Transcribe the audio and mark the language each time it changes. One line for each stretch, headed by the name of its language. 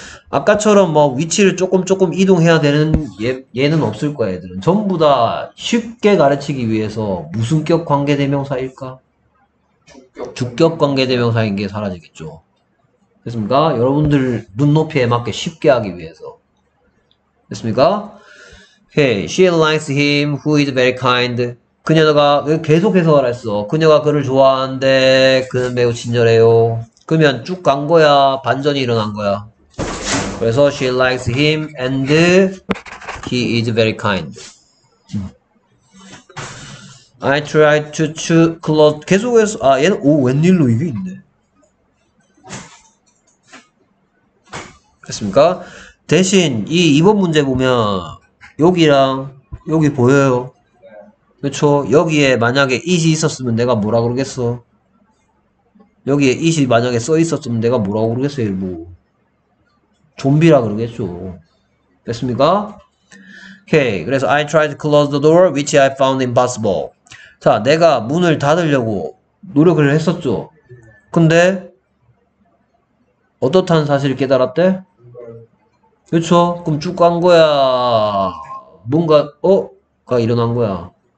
Korean: 아까처럼 뭐 위치를 조금 이동해야 되는 얘는 없을 거야. 애들은 전부 다 쉽게 가르치기 위해서 무슨 격 관계 대명사일까? 주격 관계 대명사인 게 사라지겠죠. 됐습니까? 여러분들 눈높이에 맞게 쉽게 하기 위해서. 됐습니까?
English: Hey, she likes him who is very kind.
Korean: 그녀가 계속해서 말했어. 그녀가 그를 좋아하는데 그는 매우 친절해요. 그러면 쭉 간 거야. 반전이 일어난 거야. 그래서
English: she likes him and he is very kind. I tried to close
Korean: 계속해서 아 얘는 오 웬일로 이게 있네. 됐습니까? 대신 이 2번 문제 보면 여기랑 여기 보여요. 그렇죠? 여기에 만약에 it이 있었으면 내가 뭐라 그러겠어? 여기에 it이 만약에 써 있었으면 내가 뭐라 그러겠어? 뭐 좀비라 그러겠죠. 됐습니까? 오케이. 그래서
English: I tried to close the door which I found impossible.
Korean: 자, 내가 문을 닫으려고 노력을 했었죠. 근데 어떻다는 사실을 깨달았대? 그렇죠? 그럼 쭉 간 거야. 뭔가 가 일어난 거야.